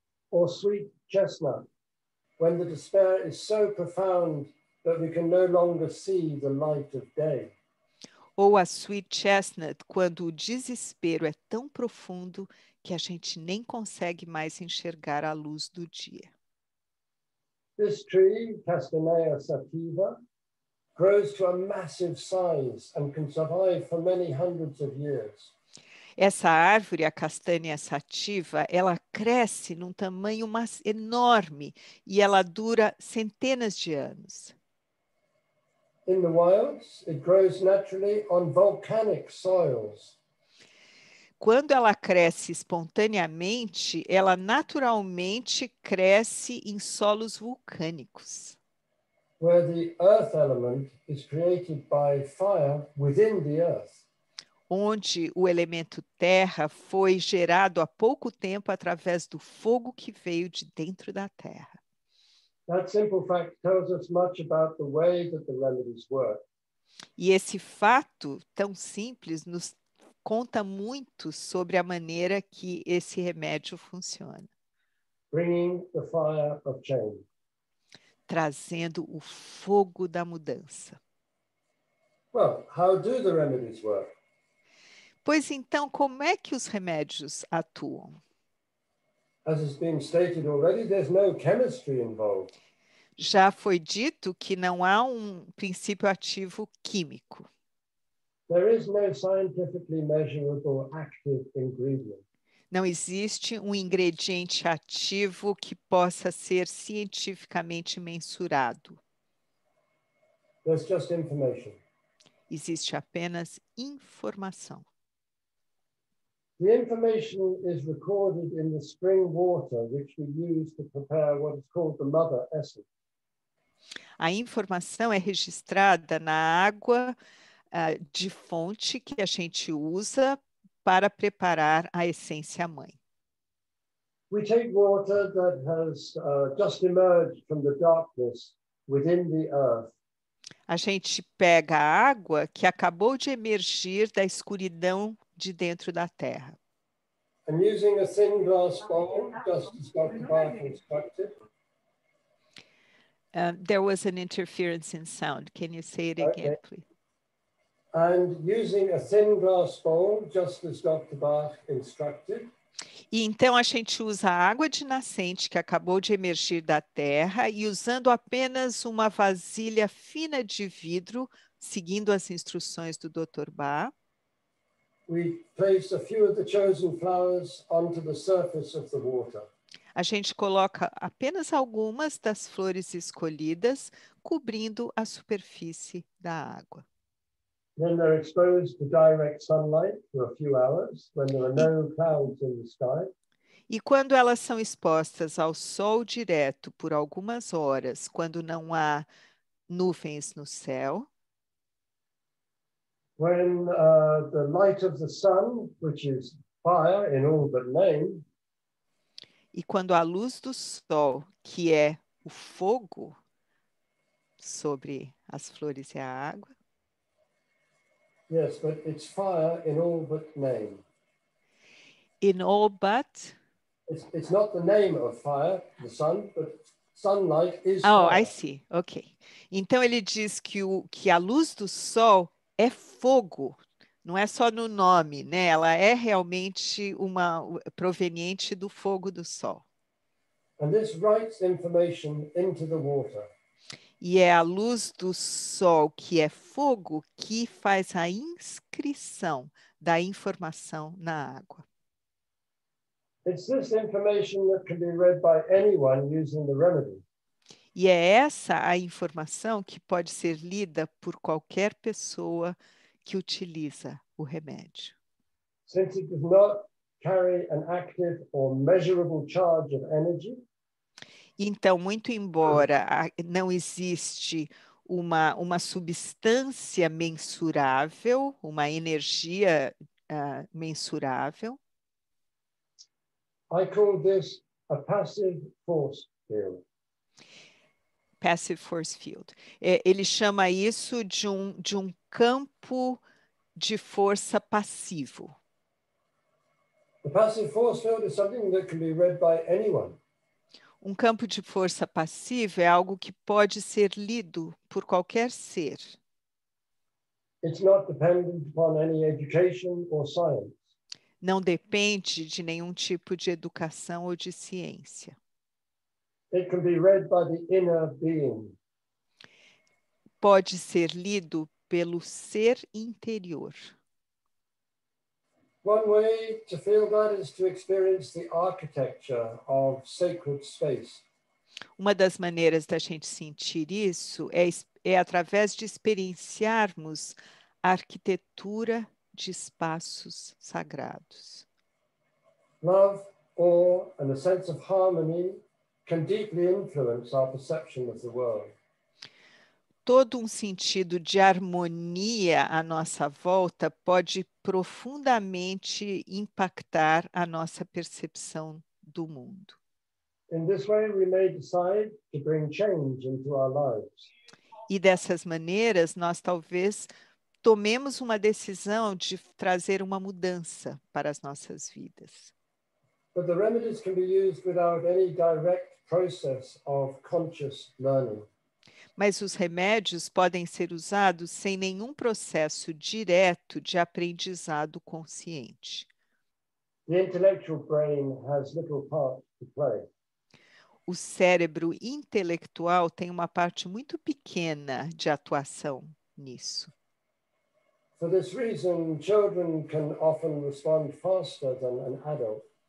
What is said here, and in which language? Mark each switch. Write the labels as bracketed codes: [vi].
[en] Or sweet chestnut, when the despair is so profound that we can no longer see the light of day. [pt] Ou a sweet chestnut, quando o desespero é tão profundo que a gente nem consegue mais enxergar a luz do dia. [en] This tree, Castanea sativa, grows to a massive size and can survive for many hundreds of years. [pt] Essa árvore, a castanha sativa, ela cresce num tamanho enorme e ela dura centenas de anos. [en] In the wilds, it grows naturally on volcanic soils. [pt] Quando ela cresce espontaneamente, ela naturalmente cresce em solos vulcânicos. [en] Where the earth element is created by fire within the earth. [pt] onde o elemento terra foi gerado há pouco tempo através do fogo que veio de dentro da terra. [en] That simple fact tells us much about the way that the remedies work. [pt] E esse fato tão simples nos conta muito sobre a maneira que esse remédio funciona. [en] Bringing the fire of change. [pt] Trazendo o fogo da mudança. [en] Well, how do the remedies work? [pt] Pois então, como é que os remédios atuam? [en] As has been stated already, there's no chemistry involved. [pt] Já foi dito que não há um princípio ativo químico. [en] There is no scientifically measurable active ingredient. [pt] Não existe um ingrediente ativo que possa ser cientificamente mensurado. [en] There's just information. [pt] Existe apenas informação. [en] The information is recorded in the spring water, which we use to prepare what is called the mother essence. [pt] A informação é registrada na água de fonte que a gente usa para preparar a essência mãe. [en] We take water that has just emerged from the darkness within the earth. [pt] A gente pega a água que acabou de emergir da escuridão de dentro da terra. [en] And using a thin glass bowl, just as Dr. Barth instructed. There was an interference in sound. Can you say it again, please? And using a thin glass bowl, just as Dr. Barth instructed. [pt] E então a gente usa a água de nascente que acabou de emergir da terra e usando apenas uma vasilha fina de vidro, seguindo as instruções do Dr. Barth. [en] We place a few of the chosen flowers onto the surface of the water. [pt] A gente coloca apenas algumas das flores escolhidas cobrindo a superfície da água. [en] Then they're exposed to direct sunlight for a few hours when there are no clouds in the sky. [pt] E quando elas são expostas ao sol direto por algumas horas, quando não há nuvens no céu. [en] When the light of the sun, which is fire in all but name. [pt] E quando a luz do sol, que é o fogo sobre as flores e a água. [en] Yes, but it's fire in all but name. In all but? It's not the name of fire, the sun, but sunlight is oh, Oh, I see. Okay. [pt] Então ele diz que a luz do sol é fogo, não é só no nome, né? Ela é realmente uma proveniente do fogo do sol. [en] And this writes information into the water. [pt] E é a luz do sol, que é fogo, que faz a inscrição da informação na água. [en] It's this information that can be read by anyone using the remedy. [pt] E é essa a informação que pode ser lida por qualquer pessoa que utiliza o remédio. [en] Since it does not carry an active or measurable charge of energy. [pt] Então, muito embora não existe uma substância mensurável, uma energia mensurável. [en] I call this a passive force field. Passive force field. [pt] Ele chama isso de um campo de força passivo. [en] The passive force field is something that can be read by anyone. [pt] Um campo de força passivo é algo que pode ser lido por qualquer ser. [en] It's not dependent upon any education or science. [pt] Não depende de nenhum tipo de educação ou de ciência. [en] It can be read by the inner being. [pt] Pode ser lido pelo ser interior. [en] One way to feel that is to experience the architecture of sacred space. [pt] Uma das maneiras da gente sentir isso é através de experienciarmos a arquitetura de espaços sagrados. [en] Love, awe, and a sense of harmony can deeply influence our perception of the world. [pt] todo um sentido de harmonia à nossa volta pode profundamente impactar a nossa percepção do mundo. [en] In this way, we may decide to bring change into our lives. [pt] E dessas maneiras, nós talvez tomemos uma decisão de trazer uma mudança para as nossas vidas. [en] But the remedies can be used without any direct process of conscious learning. [pt] Mas os remédios podem ser usados sem nenhum processo direto de aprendizado consciente. [en] The intellectual brain has little part to play. [pt] O cérebro intelectual tem uma parte muito pequena de atuação nisso. [en] For this reason, children can often respond faster than an adult.